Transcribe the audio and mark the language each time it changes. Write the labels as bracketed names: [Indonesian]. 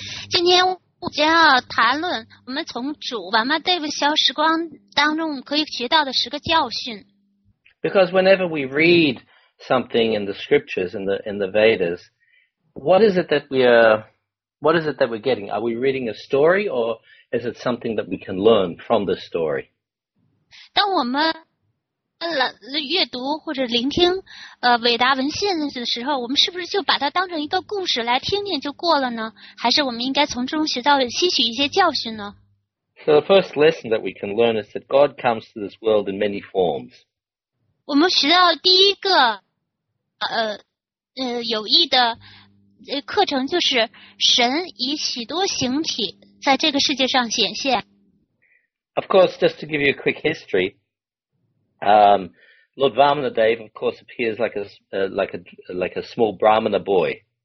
[Chinese] 今天我将要谈论我们从主 Vamanadeva 逍遥时光当中可以学到的十个教训。 [English] Because whenever we read something in the scriptures, in the Vedas, what is it that we're getting? Are we reading a story or is it something that we can learn from the story? [Chinese] 当我们阅读或者聆听伟大文献的时候，我们是不是就把它当成一个故事来听听就过了呢？还是我们应该从中学到吸取一些教训呢？ [English] So the first lesson that we can learn is that God comes to this world in many forms. [Chinese] 我们学到第一个有益的课程就是神以许多形体在这个世界上显现。 [English] Of course, just to give you a quick historyLord Vamanadeva, of course, appears like a small Brahmana boy.